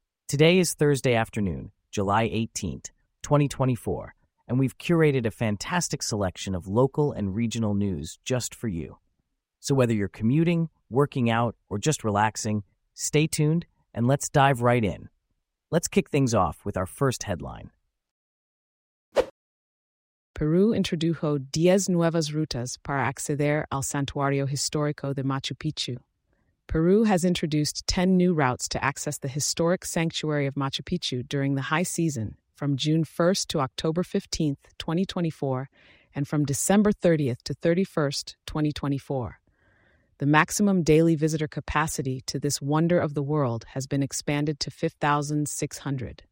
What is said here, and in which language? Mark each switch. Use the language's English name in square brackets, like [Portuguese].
[English] Today is Thursday afternoon, July 18th. 2024, and we've curated a fantastic selection of local and regional news just for you. So whether you're commuting, working out, or just relaxing, stay tuned and let's dive right in. Let's kick things off with our first headline. [Spanish] Peru introdujo 10 nuevas rutas para acceder al Santuario Histórico de Machu Picchu. [English] Peru has introduced 10 new routes to access the historic sanctuary of Machu Picchu during the high season, from June 1st to October 15th, 2024, and from December 30th to 31st, 2024. The maximum daily visitor capacity to this wonder of the world has been expanded to 5,600.